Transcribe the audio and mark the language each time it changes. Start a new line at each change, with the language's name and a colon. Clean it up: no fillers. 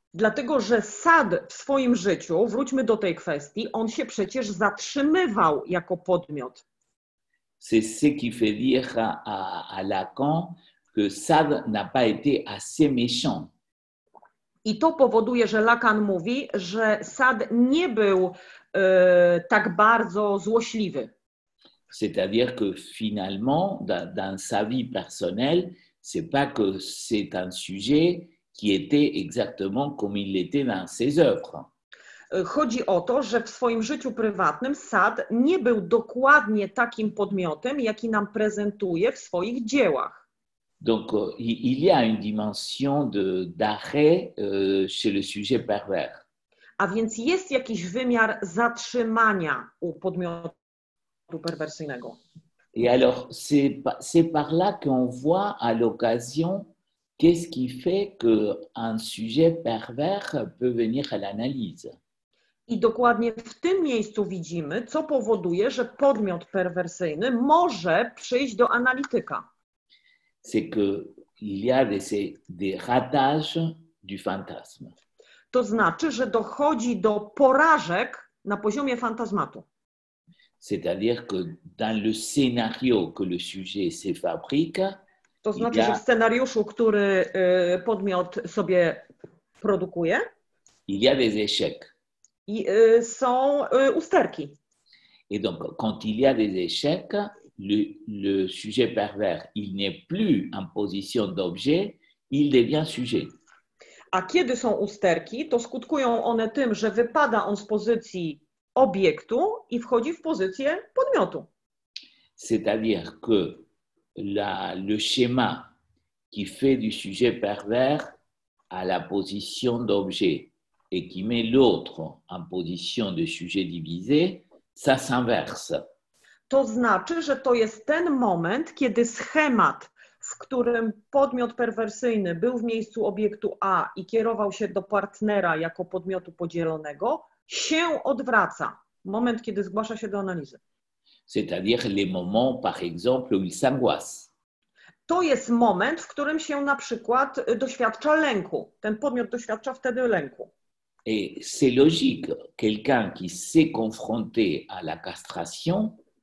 Polish: Dlatego, że Sad w swoim życiu, wróćmy do tej kwestii, on się przecież zatrzymywał jako podmiot.
French: C'est ce qui fait dire à Lacan que Sad n'a pas été assez méchant.
Polish: I to powoduje, że Lacan mówi, że Sad nie był tak bardzo złośliwy.
French: C'est-à-dire que finalement, dans sa vie personnelle, c'est pas que c'est un sujet qui était exactement comme il était dans ses œuvres.
Polish: Chodzi o to, że w swoim życiu prywatnym Sad nie był dokładnie takim podmiotem, jaki nam prezentuje w swoich dziełach.
French: Donc, il y a une dimension d'arrêt chez le sujet pervers.
Polish: A więc jest jakiś wymiar zatrzymania u podmiotu perwersyjnego.
French: Et alors, c'est par là qu'on voit à l'occasion qu'est-ce qui fait qu'un sujet pervers peut venir à l'analyse.
Polish: I dokładnie w tym miejscu widzimy, co powoduje, że podmiot perwersyjny może przyjść do analityka.
French: C'est que il y a des ratages du fantasme.
Polish: To znaczy, że dochodzi do porażek na poziomie fantazmatu.
French: C'est-à-dire que dans le scénario que le sujet se fabrique,
Polish: to znaczy, że w scenariuszu, który podmiot sobie produkuje,
French: il y a des échecs.
Polish: I są usterki.
French: Et donc, quand il y a des échecs, le sujet pervers, il n'est plus en position d'objet, il devient sujet.
Polish: A kiedy są usterki, to skutkują one tym, że wypada on z pozycji obiektu i wchodzi w pozycję podmiotu.
French: C'est-à-dire que le schéma qui fait du sujet pervers à la position d'objet et qui met l'autre en position de sujet divisé, ça s'inverse.
Polish: To znaczy, że to jest ten moment, kiedy schemat, w którym podmiot perwersyjny był w miejscu obiektu A i kierował się do partnera jako podmiotu podzielonego, się odwraca. Moment, kiedy zgłasza się do analizy.
French: C'est-à-dire les moments, par exemple, où il s'angoisse.
Polish: To jest moment, w którym się na przykład doświadcza lęku. Ten podmiot doświadcza wtedy lęku.
French: Et c'est logique. Quelqu'un qui s'est confronté à la castration.